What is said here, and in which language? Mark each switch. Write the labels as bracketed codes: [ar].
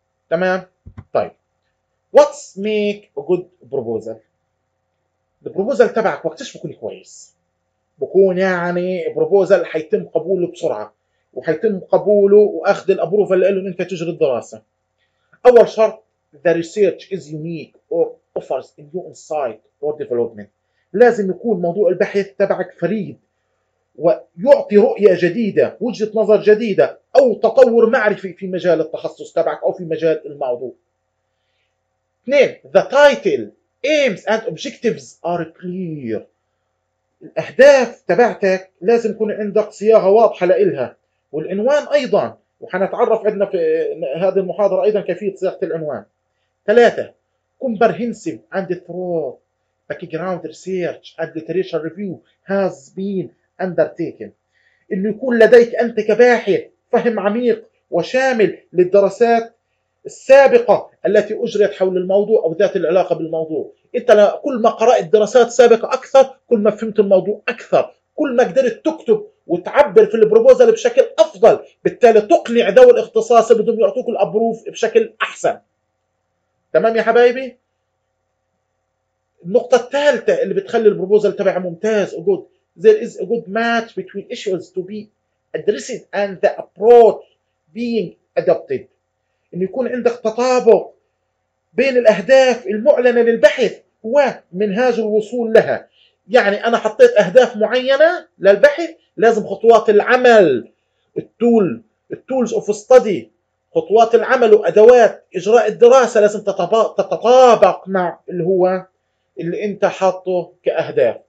[ar] تمام. طيب [en] what's make a good proposal؟ [ar] البروبوزل تبعك وقتش بكون كويس؟ بكون يعني بروبوزل حيتم قبوله بسرعة وحيتم قبوله واخذ الابروفال اللي قاله انت تجري الدراسة. اول شرط [en] the research is unique or offers a new insight or development. [ar] لازم يكون موضوع البحث تبعك فريد ويعطي رؤية جديدة، وجهة نظر جديدة، أو تطور معرفي في مجال التخصص تبعك أو في مجال الموضوع. 2. [en] The title, aims and objectives are clear. [ar] الأهداف تبعتك لازم يكون عندك صياغة واضحة لإلها، والعنوان أيضا، وحنتعرف عندنا في هذه المحاضرة أيضا كيفية صياغة العنوان. 3. [en] Comprehensive and thorough background research and literature review has been undertaken. [ar] اللي يكون لديك أنت كباحث فهم عميق وشامل للدراسات السابقة التي أجريت حول الموضوع أو ذات العلاقة بالموضوع. أنت كل ما قرأت دراسات سابقة أكثر، كل ما فهمت الموضوع أكثر، كل ما قدرت تكتب وتعبر في البروبوزل بشكل أفضل، بالتالي تقنع ذوي الاختصاص بدهم يعطوك الأبروف بشكل أحسن. تمام يا حبايبي؟ النقطة الثالثة اللي بتخلي البروبوزل تبعي ممتاز وجود، [en] there is a good match between issues to be addressed and the approach being adopted. [ar] إن يكون عندك تطابق بين الأهداف المعلنة للبحث ومنهاج الوصول لها. يعني أنا حطيت أهداف معينة للبحث، لازم خطوات العمل التولز of study، خطوات العمل وأدوات إجراء الدراسة لازم تتطابق مع اللي هو اللي أنت حاطه كأهداف.